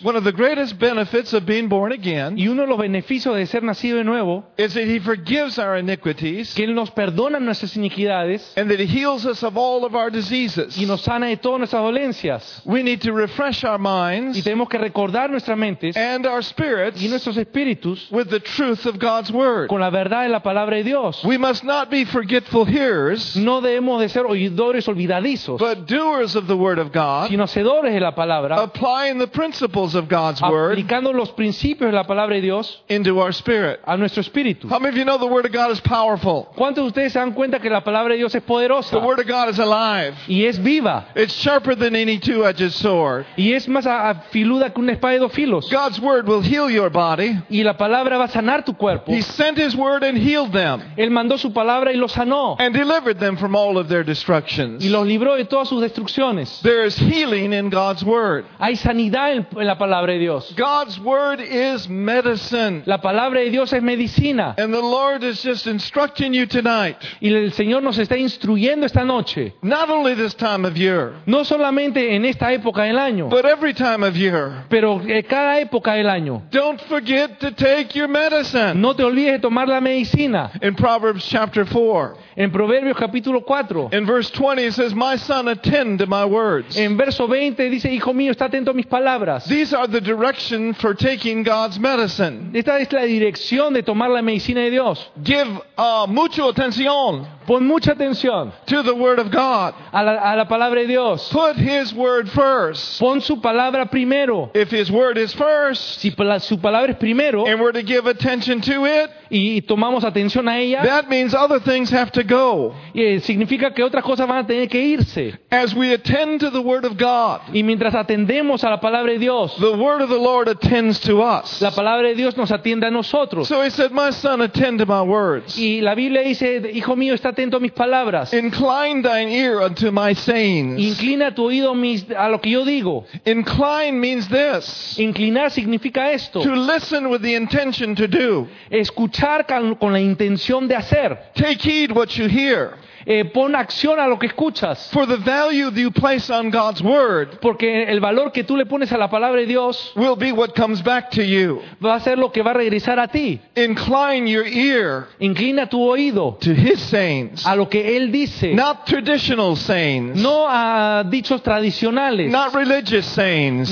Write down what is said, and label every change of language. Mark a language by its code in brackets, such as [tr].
[en] One of the greatest benefits of being born again. [es] Y uno de los beneficios de ser nacido de nuevo. [en] Is that He forgives our iniquities. [es] Que Él nos perdona nuestras iniquidades. [en] And that He heals us of all of our diseases. [es] Y nos sana de todas nuestras dolencias. [en] We need to refresh our minds. minds [es] y tenemos que recordar nuestras mentes [en] and our spirits [es] y nuestros espíritus [en] with the truth of God's word. [es] Con la verdad de la palabra de Dios. [en] We must not be forgetful hearers, [es] no debemos de ser oidores olvidadizos, [en] but doers of the word of God, [es] sino hacedores de la palabra, [en] applying the principles of God's word, [es] aplicando los principios de la palabra de Dios [en] into our spirit, [es] a nuestro espíritu. [en] How many of you know the word of God is powerful? [es] ¿Cuántos de ustedes se dan cuenta que la palabra de Dios es poderosa? [en] The word of God is alive. [es] Y es viva. [en] It's sharper than any two-edged sword. [es] Y es más afiluda que una espada de dos filos. [en] God's word will heal your body. [es] Y la palabra va a sanar tu cuerpo. [en] He sent his word and healed them. [es] Él mandó su palabra y los sanó. [en] And delivered them from all of their destructions. [es] Y los libró de todas sus destrucciones. [en] There is healing in God's word. [es] Hay sanidad en la palabra de Dios. [en] God's word is medicine. [es] La palabra de Dios es medicina. [en] And the Lord is just instructing you tonight. [es] Y el Señor nos está instruyendo esta noche. [en] Not only this time of year. [es] No solamente en esta época del año. [en] But every time of year. [es] Pero cada época del año. [en] Don't forget to take your medicine. [es] No te olvides de tomar la medicina. [en] In Proverbs chapter 4. [es] En Proverbios capítulo 4. [en] In verse 20 it says, "My son, attend to my words." [es] En verso 20 dice, "Hijo mío, está atento a mis palabras." [en] These are the directions for taking God's medicine. [es] Esta es la dirección de tomar la medicina de Dios. Give mucho atención. Pon mucha atención [en] to the word of God. [es] A la palabra de Dios. [en] Put his word first. [es] Pon su palabra primero. [en] If his word is first, [es] si su palabra es primero, [en] and we're to give attention to it, [es] y tomamos atención a ella, [en] that means other things have to go. [es] Y significa que otras cosas van a tener que irse. [en] As we attend to the word of God, [es] y mientras atendemos a la palabra de Dios, [en] the word of the Lord attends to us. [es] La palabra de Dios nos atiende a nosotros. [en] So he said, "My son, attend to my words." [es] Y la Biblia dice, "Hijo mío, está atento a mis palabras." [en] Incline thine ear unto my sayings. [es] Inclina tu oído a lo que yo digo. [en] Incline means this. [es] Inclinar significa esto. [en] To listen with the intention to do. [es] Escuchar con la intención de hacer. [en] Take heed what you hear. [es] Pon acción a lo que escuchas. [en] For the value that you place on God's word, [es] porque el valor que tú le pones a la palabra de Dios, [en] will be what comes back to you. [es] Va a ser lo que va a regresar a ti. [en] Incline your ear. [es] Inclina tu oído. [en] To his sayings. [es] A lo que él dice. [en] Not traditional sayings. [es] No a dichos tradicionales. [en] Not religious sayings.